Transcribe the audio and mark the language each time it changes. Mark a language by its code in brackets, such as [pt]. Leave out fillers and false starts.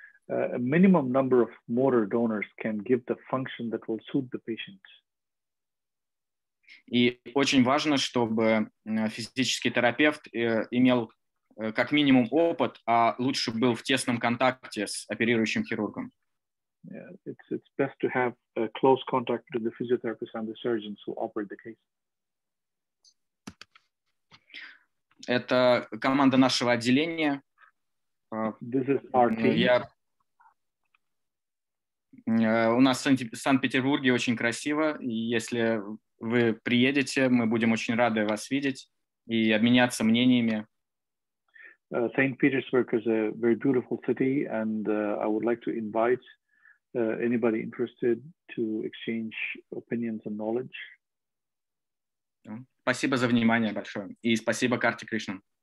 [en] a minimum number of motor donors can give the function that will suit the patient. [ru] И очень важно, чтобы физический терапевт имел как минимум опыт, а лучше был в тесном контакте с оперирующим хирургом. [en] Yeah, it's best to have a close contact with the physiotherapist and the surgeons who operate the case. [ru] Это команда нашего отделения. [en] This is our team. [ru] У нас в Санкт-Петербурге очень красиво, и если вы приедете, мы будем очень рады вас видеть и обменяться мнениями. [en] St. Petersburg is a very beautiful city, and I would like to invite anybody interested to exchange opinions and knowledge. [ru] Спасибо за внимание большое, и спасибо Карте Кришнан.